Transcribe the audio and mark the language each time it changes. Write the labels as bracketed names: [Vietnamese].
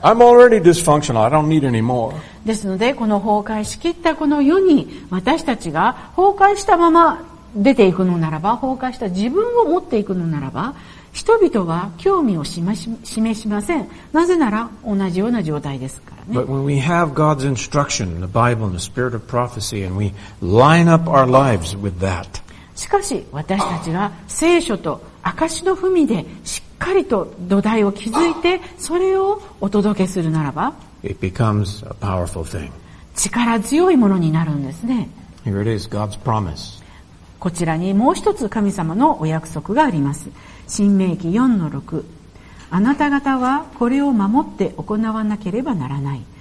[English] I'm already dysfunctional. I don't need any more. [Japanese] ですので、この崩壊しきったこの世に、私たちが崩壊したまま出ていくのならば、崩壊した自分を持っていくのならば、人々は興味を示しません。なぜなら同じような状態ですからね。 [English] But when we have God's instruction, the Bible, and the spirit of prophecy, and we line up our lives with that. [Japanese] しかし、私たちが聖書と証の踏みでしっかりと土台を築いて、それをお届けするならば、 [English] it becomes a powerful thing. [Japanese] 力強いものになるんですね。 [English] Here it is, God's promise. [Japanese] こちらにもう一つ神様のお約束があります。申命記 4-6 あなた方はこれを守って行わなければならない。